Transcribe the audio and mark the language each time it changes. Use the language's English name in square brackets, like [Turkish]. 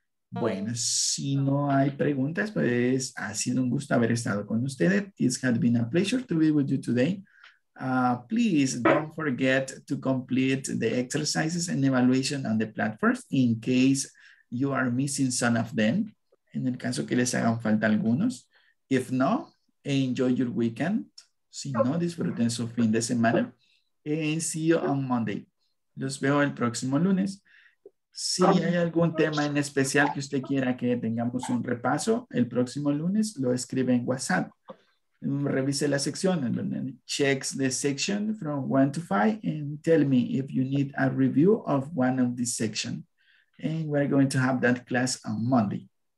[Spanish] Bueno, si no hay preguntas, pues ha sido un gusto haber estado con ustedes. [English] It has been a pleasure to be with you today. Please don't forget to complete the exercises and evaluation on the platforms in case you are missing some of them. [Spanish] En el caso que les hagan falta algunos. [English] If no, enjoy your weekend. [Spanish] Si no, disfruten su fin de semana. [English] And see you on Monday. [Spanish] Los veo el próximo lunes. Si hay algún tema en especial que usted quiera que tengamos un repaso, el próximo lunes lo escribe en WhatsApp. Revise la sección. [English] Check the section from 1 to 5 and tell me if you need a review of one of these sections. And we're going to have that class on Monday.